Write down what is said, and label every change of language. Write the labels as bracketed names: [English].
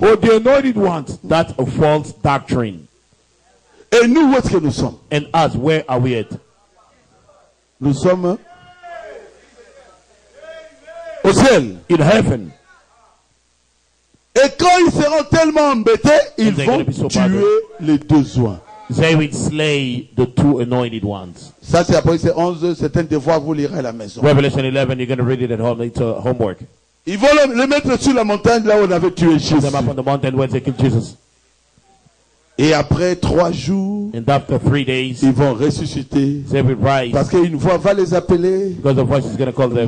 [English] Oh, the anointed ones, that's a false doctrine. [French] Et nous, où est-ce que nous sommes? [English] And us, where are we at? [French] Nous sommes au ciel. [English] In heaven. [French] Et quand ils seront tellement embêtés, ils vont tuer les deux oies. [English] They will slay the two anointed ones. [French] Ça, c'est Apocalypse 11, c'est un devoir, vous lirez à la maison. [English] Revelation 11, you're going to read it at home, it's a homework. [French] Ils vont le mettre sur la montagne là où on avait tué Jésus. [English] Them up on the mountain where they killed Jesus. [French] Et après trois jours, [English] and after three days, [French] ils vont ressusciter. [English] They will rise. [French] Parce qu'une voix va les appeler. [English] Because the voice is going to call them.